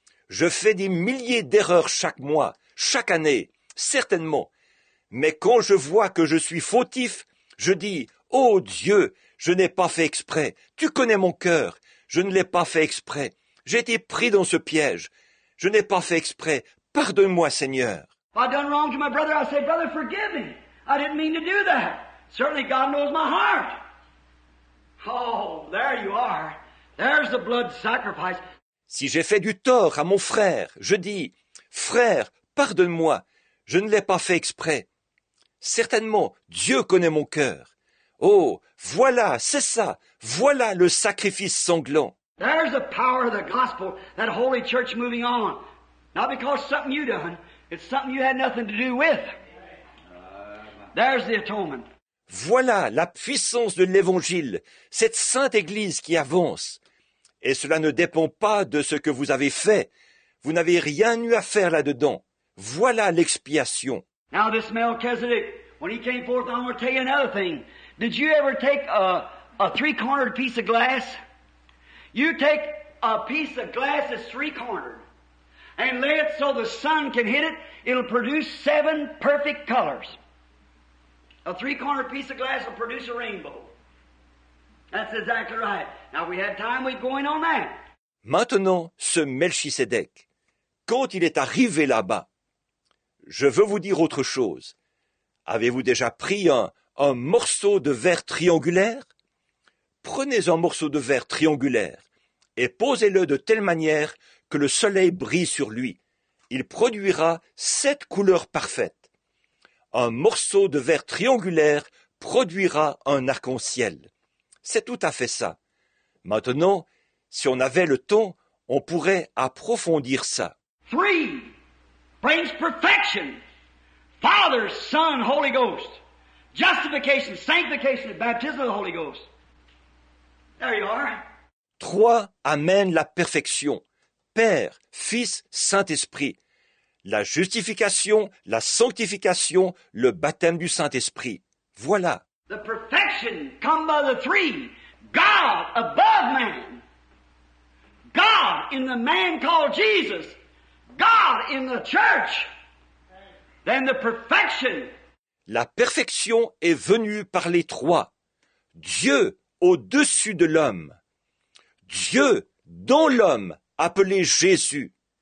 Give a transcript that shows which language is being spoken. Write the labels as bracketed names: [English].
[French] Je fais des milliers d'erreurs chaque mois, chaque année, certainement. Mais quand je vois que je suis fautif, je dis, « Oh Dieu, je n'ai pas fait exprès. Tu connais mon cœur. Je ne l'ai pas fait exprès. J'ai été pris dans ce piège. Je n'ai pas fait exprès. Pardonne-moi, Seigneur. » [English] I done wrong to my brother. I said, brother, forgive me. I didn't mean to do that. Certainly God knows my heart. Oh, there you are. There's the blood sacrifice. [French] Si j'ai fait du tort à mon frère, je dis, frère, pardonne-moi, je ne l'ai pas fait exprès. Certainement, Dieu connaît mon cœur. Oh, voilà, c'est ça, voilà le sacrifice sanglant. [English] There's the power of the gospel, that holy church moving on. Not because something you done, it's something you had nothing to do with. There's the atonement. [French] Voilà la puissance de l'Évangile, cette sainte Église qui avance. Et cela ne dépend pas de ce que vous avez fait. Vous n'avez rien eu à faire là-dedans. Voilà l'expiation. [English] Now this Melchizedek, when he came forth, I'm going to tell you another thing. Did you ever take a three-cornered piece of glass? You take a piece of glass that's three-cornered and lay it so the sun can hit it, it'll produce seven perfect colors. A three-cornered piece of glass will produce a rainbow. That's exactly right. Now, we had time, we're going on that. [French] Maintenant, ce Melchisédek, quand il est arrivé là-bas, je veux vous dire autre chose. Avez-vous déjà pris un morceau de verre triangulaire? Prenez un morceau de verre triangulaire et posez-le de telle manière que le soleil brille sur lui. Il produira sept couleurs parfaites. Un morceau de verre triangulaire produira un arc-en-ciel. C'est tout à fait ça. Maintenant, si on avait le temps, on pourrait approfondir ça. [English] Three brings perfection. Father, Son, Holy Ghost. Justification, sanctification, and baptism of the Holy Ghost. There you are. [French] Trois amènent la perfection. Père, Fils, Saint-Esprit. la justification, la sanctification, le baptême du Saint-Esprit. Voilà. [English] The perfection comes by the three. God above man. God in the man called Jesus. God in the church. Then the perfection. [French] La perfection est venue par les trois. Dieu au-dessus de l'homme. Dieu dans l'homme, appelé Jésus.